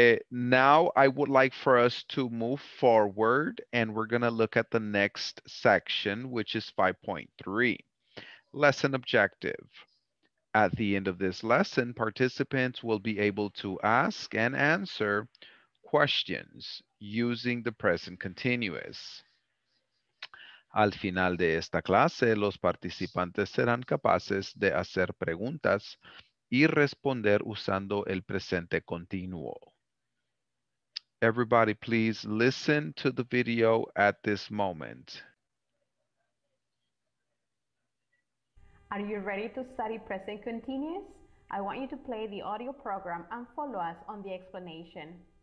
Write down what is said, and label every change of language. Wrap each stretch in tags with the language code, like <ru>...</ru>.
<en>Now I would like for us to move forward and we're going to look at the next section, which is 5.3. Lesson objective. At the end of this lesson, participants will be able to ask and answer questions using the present continuous.</en> <es>Al final de esta clase, los participantes serán capaces de hacer preguntas y responder usando el presente continuo.</es> <en>Everybody, please listen to the video at this moment. Are you ready to study present continuous? I want you to play the audio program and follow us on the explanation.</en>